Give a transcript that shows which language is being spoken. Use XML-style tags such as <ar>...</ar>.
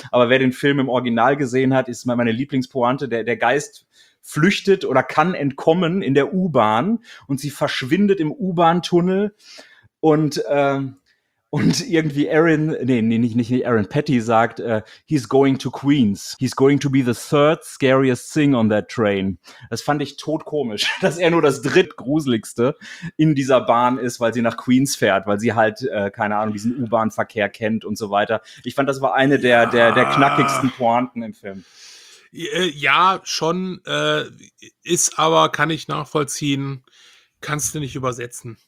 <de>Aber wer den Film im Original gesehen hat, ist meine Lieblingspointe, der Geist flüchtet oder kann entkommen in der U-Bahn und sie verschwindet im U-Bahn-Tunnel und irgendwie Aaron Petty sagt,</de> <en>he's going to Queens. He's going to be the third scariest thing on that train.</en> <de>Das fand ich todkomisch, dass er nur das drittgruseligste in dieser Bahn ist, weil sie nach Queens fährt, weil sie halt, keine Ahnung, diesen U-Bahn-Verkehr kennt und so weiter. Ich fand, das war eine der knackigsten Pointen im Film. Ja, schon, ist aber, kann ich nachvollziehen, kannst du nicht übersetzen.</de>